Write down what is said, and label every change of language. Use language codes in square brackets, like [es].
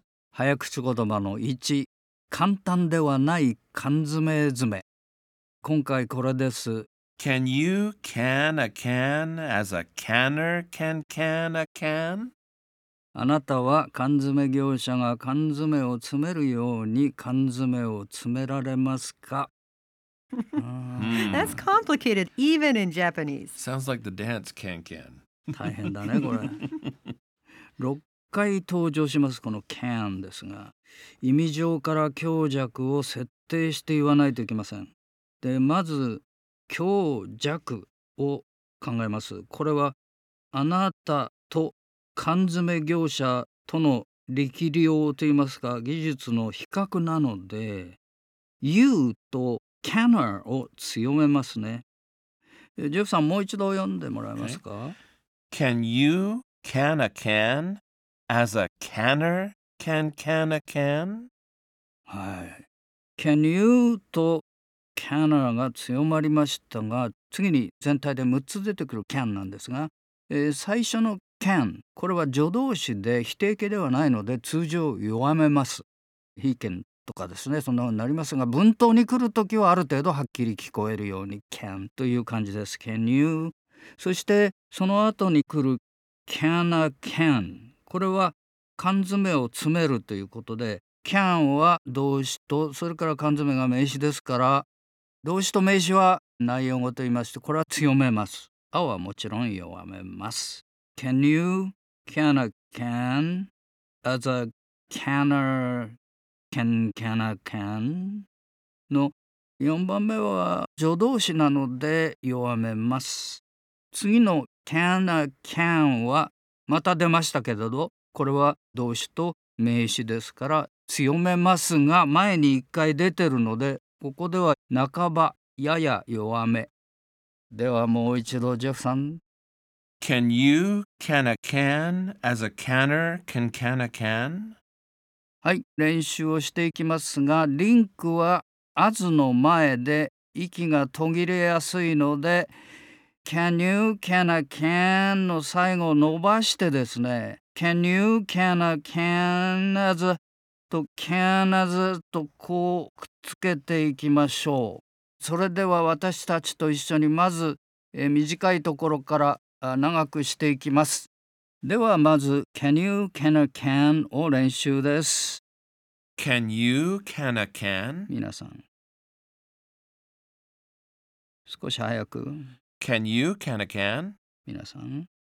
[ja] 早口言葉の1、簡単ではない缶詰詰め。今回これです。 [en] Can you can a can as a canner can can a can? [ja] あなたは缶詰業者が缶詰を詰めるように缶詰を詰められますか？ [en] That's complicated, even in Japanese. Sounds like the dance can-can. [ja] 大変だね、これ。 6回登場します、この can ですが、意味上から強弱を設定して言わないといけません。で、まず強弱を考えます。これはあなたと缶詰業者との力量といいますか、技術の比較なので、you とCanner を強めますね。ジェフさん、もう一度読んでもらえますか？ [en] Can you can a can as a canner can can a can? [ja] はい。 Can you と canner が強まりましたが、次に全体で6つ出てくる can なんですが、最初の can、これは助動詞で否定形ではないので通常弱めます。 He canとかですね、そんなふうになりますが、文頭に来るときはある程度はっきり聞こえるように can という感じです。 can you、 そしてその後に来る [en] can a can、 [ja] これは缶詰を詰めるということで、 can は動詞と、それから缶詰が名詞ですから、動詞と名詞は内容語と言いまして、これは強めます。 a はもちろん弱めます。 [en] can you can a can as a canner can can a can [ja] の4番目は助動詞なので弱めます。次の can a can はまた出ましたけれど、これは動詞と名詞ですから強めますが、前に1回出てるのでここでは半ばやや弱め。ではもう一度ジェフさん。 [en] Can you can a can as a canner can can a can? [ja] はい、練習をしていきますが、リンクはアズの前で息が途切れやすいので、Can you can a can の最後を伸ばしてですね、 [en] Can you can a can as [ja] と can as とこうくっつけていきましょう。それでは私たちと一緒にまず、短いところから長くしていきます。ではまず、 [en] Can you can a can [ja] を練習です。 [en] Can you can a can? [ja] 皆さん。少し早く。 [en] Can you can a can? [ja] 皆さん。